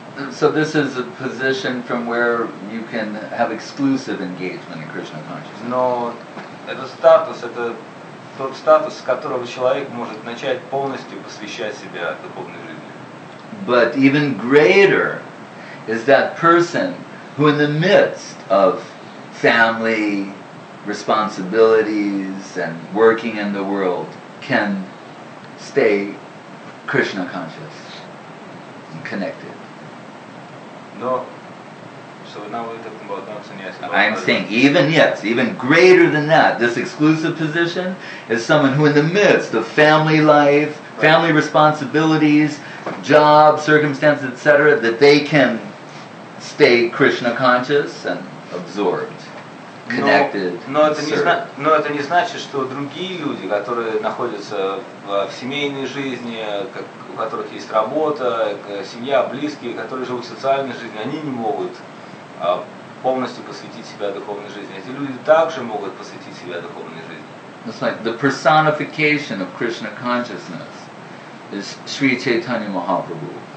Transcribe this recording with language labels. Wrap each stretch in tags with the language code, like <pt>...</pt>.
<en>So this is a position from where you can have exclusive engagement in Krishna consciousness.</en> <ru>Но этот статус, это тот статус, с которого человек может начать полностью посвящать себя духовной жизни.</ru> <en>But even greater is that person who, in the midst of family responsibilities and working in the world, can stay Krishna conscious. Connected. No. So now we're talking about non-sannyasi. I'm saying even yes, even greater than that, this exclusive position is someone who in the midst of family life, family responsibilities, job, circumstances, etc., that they can stay Krishna conscious and absorbed.</en> <ru>Это не значит, что другие люди, которые находятся в семейной жизни, у которых есть работа, семья, близкие, которые живут в социальной жизни, они не могут полностью посвятить себя духовной жизни. Эти люди также могут посвятить себя духовной жизни.</ru> <en>It's like the personification of Krishna consciousness is Sri Chaitanya Mahaprabhu.</en>